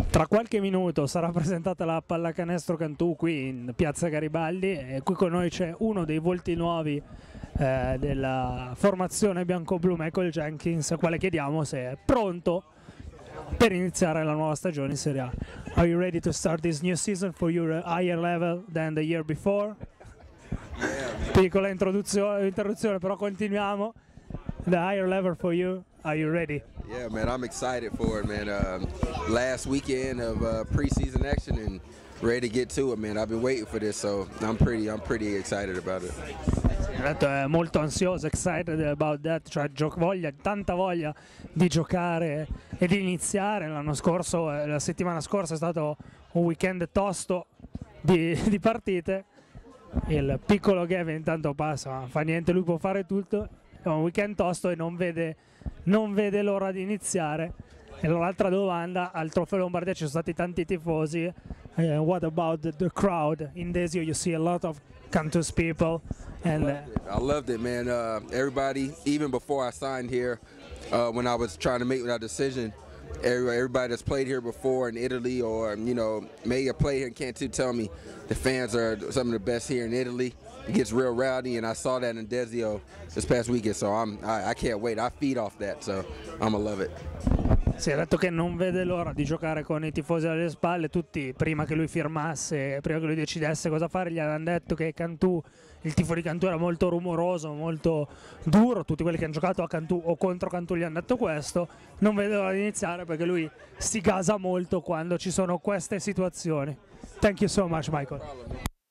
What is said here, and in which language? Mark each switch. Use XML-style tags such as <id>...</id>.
<it>Tra qualche minuto sarà presentata la Pallacanestro Cantù qui in Piazza Garibaldi e qui con noi c'è uno dei volti nuovi della formazione bianco-blu, Michael Jenkins, al quale chiediamo se è pronto per iniziare la nuova stagione in Serie A.</it> <en>Are you ready to start this new season for your higher level than the year before?</en> <it>Piccola interruzione, però continuiamo.</it> <en>The higher level for you. Are you ready? Yeah, man, I'm excited for it, man. Last weekend of preseason action and ready to get to it, man. I've been waiting for this, so I'm pretty excited about it.</en> <it>È molto ansioso,</it> <en>excited about that,</en> <it>cioè tanta voglia di giocare e di iniziare. L'anno scorso, la settimana scorsa è stato un weekend tosto di partite. Il piccolo Gavin intanto passa, ma fa niente, lui può fare tutto. È un weekend tosto e non vede l'ora di iniziare. E l'altra domanda, al Trofeo Lombardia ci sono stati tanti tifosi.</it> <en>What about the crowd in Desio? You see a lot of Cantus people. And I loved it, man. Everybody, even before I signed here, when I was trying to make that decision, everybody that's played here before in Italy or, you know, made a play here in Cantu, tell me the fans are some of the best here in Italy. It gets real rowdy, and I saw that in Desio this past weekend, so I can't wait. I feed off that, so I'm gonna love it.</en> <it>Si è detto che non vede l'ora di giocare con i tifosi alle spalle, tutti prima che lui firmasse, prima che lui decidesse cosa fare, gli hanno detto che Cantù, il tifo di Cantù era molto rumoroso, molto duro, tutti quelli che hanno giocato a Cantù o contro Cantù gli hanno detto questo, non vede l'ora di iniziare perché lui si gasa molto quando ci sono queste situazioni.</it> <en>Thank you so much, Michael.</en>